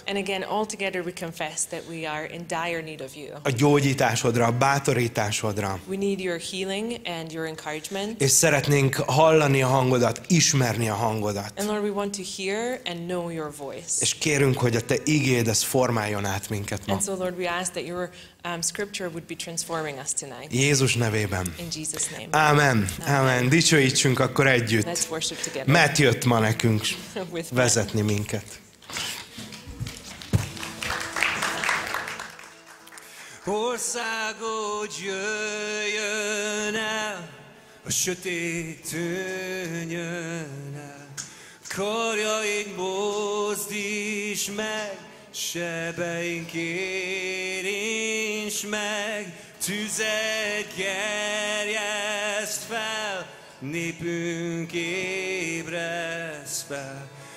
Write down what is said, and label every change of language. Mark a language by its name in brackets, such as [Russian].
[English] And again, all together we confess that we are in dire need of you. [Hungarian] A gyógyításodra, a bátorításodra. [English] We need your healing and your encouragement. [Hungarian] És szeretnénk hallani a hangodat, ismerni a hangodat. [English] And Lord, we want to hear and know your voice. [Hungarian] És kérünk, hogy a te igéd ez formáljon át minket ma. [English] And so Lord, we ask that your scripture would be transforming us tonight. [Hungarian] Jézus nevében. [English] In Jesus name. Amen. Amen. [Hungarian] Dicsőítsünk akkor együtt. [English] Let's worship together. [Hungarian] Matt jött ma nekünk vezetni minket. Országod jöjjön el, a sötét tűnjön el, karjaid mozdíts meg, sebeink érints meg, tüzet gerjeszt fel, népünk ébreszt fel.